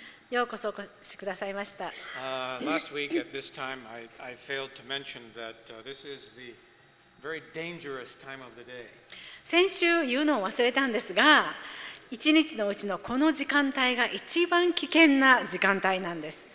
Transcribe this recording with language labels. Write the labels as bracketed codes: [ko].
[ja] ようこそお越しくださいました。 [en] Last week at this time, I failed to mention that this is the very dangerous time of the day. [ja] 先週言うのを忘れたんですが、一日のうちのこの時間帯が一番危険な時間帯なんです。